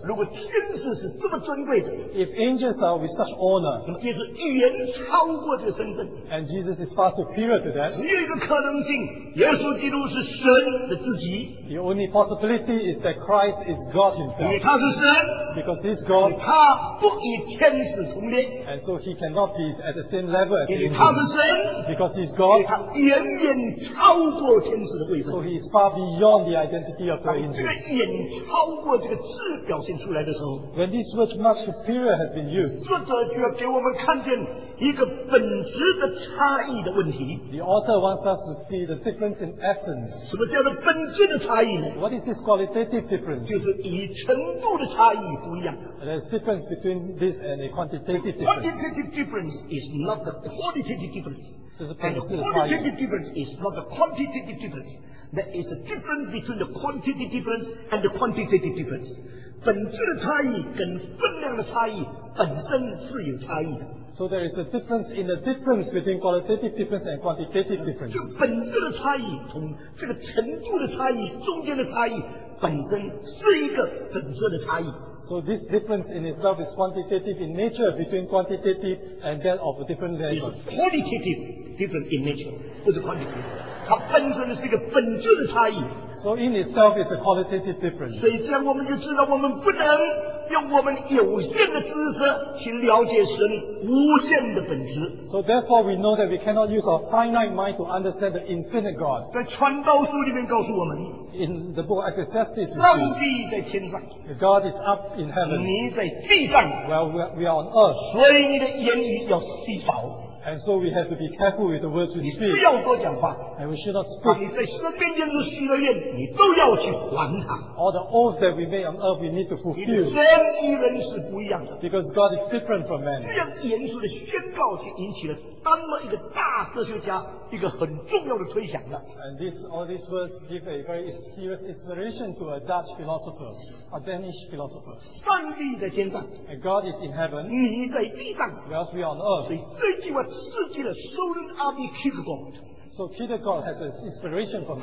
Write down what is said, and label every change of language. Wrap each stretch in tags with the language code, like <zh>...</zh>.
<zh>如果天使是这么尊贵的。</zh> <en>If angels are with such honor.</en> <zh>那么就是远超过这个身份。</zh> <en>And Jesus is far superior to that.</en> <zh>只有一个可能性，耶稣基督是神的自己。</zh> <en>The only possibility is that Christ is God himself.</en> <zh>他是神,</zh> <en>because he's God.</en> <zh>他不与天使同列,</zh> <en>and so he cannot be at the same level as the angels.</en> <zh>他是神,</zh> <en>because he's God.</en> <zh>他远远超过天使的位分,</zh> <en>so he is far beyond the identity of the angels.</en> <zh>当这个远超过这个字表现出来的时候,</zh> <en>when this word much superior has been used,</en> <zh>作者就要给我们看见一个本质的差异的问题。</zh> <en>The author wants us to see the difference in essence.</en> <zh>什么叫做本质的差异呢？</zh> <en>What is this qualitative difference?</en> <zh>就是以程度的差异不一样。</zh> <en>There's difference between this and a quantitative difference. Quantitative difference is not the qualitative difference.</en> <zh>这是本质的差异。</zh> <en>And qualitative difference is not the quantitative difference. There is a difference between the quantitative difference and the quantitative difference.</en> <zh>本质的差异跟分量的差异本身是有差异的。</zh> <en>So there is a difference in the difference between qualitative difference and quantitative difference.</en> <zh>就本质的差异，同这个程度的差异，中间的差异，本身是一个本质的差异。</zh> <en>So this difference in itself is quantitative in nature between quantitative and that of a different level. Qualitative different in nature,</en> <zh>不是</zh> <en>quantitative.</en> <zh>它本身是一个本质的差异。</zh> <en>So in itself is a qualitative difference.</en> <zh>所以这样我们就知道我们不能用我们有限的知识去了解神无限的本质。</zh> <en>So therefore we know that we cannot use our finite mind to understand the infinite God.</en> <zh>在传道书里面告诉我们，</zh> <en>In the book of Ecclesiastes,</en> <zh>上帝在天上，</zh> <en>God is up in heaven.</en> <zh>你在地上，</zh> <en>Well, we are on earth.</en> <zh>所以你的言语要稀少。</zh> <en>And so we have to be careful with the words we speak.</en> <zh>你不要多讲话。</zh> <en>And we should not speak.</en> <zh>把你在神面前所许的愿，你都要去还他。</zh> <en>All the oaths that we made on earth, we need to fulfill.</en> <zh>神与人是不一样的。</zh> <en>Because God is different from man.</en> <zh>这样严肃的宣告就引起了当了一个大哲学家一个很重要的推想的。</zh> <en>And all these words give a very serious inspiration to a Dutch philosopher, a Danish philosopher.</en> <zh>上帝在天上。</zh> <en>And God is in heaven.</en> <zh>你在地上。</zh> <en>Whereas we are on earth.</en> <zh>所以这句话刺激了 Søren Arne Kierkegaard.</zh> <en>So Peter God has an inspiration from</en>